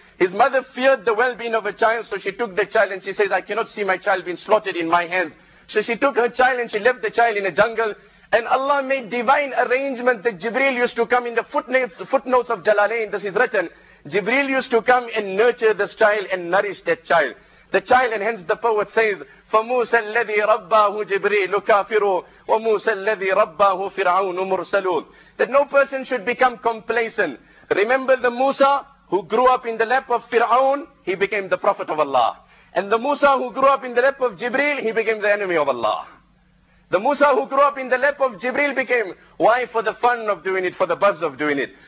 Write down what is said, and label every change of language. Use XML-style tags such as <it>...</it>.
<en>His mother feared the well-being of a child, so she took the child and she says, I cannot see my child being slaughtered in my hands. So she took her child and she left the child in a jungle. And Allah made divine arrangement that Jibreel used to come in the footnotes of Jalalain. This is written. Jibreel used to come and nurture this child and nourish that child. The child, and hence the poet says,</en> <ar>فَمُوسَ الَّذِي رَبَّهُ جِبْرِيلُ كَافِرُ وَمُوسَ الَّذِي رَبَّهُ فِرْعَوْنُ مُرْسَلُونَ.</ar> <en>That no person should become complacent. Remember the Musa who grew up in the lap of Fir'aun, he became the prophet of Allah. And the Musa who grew up in the lap of Jibreel, he became the enemy of Allah. The Musa who grew up in the lap of Jibreel became, why? For the fun of doing it, for the buzz of doing it.</en>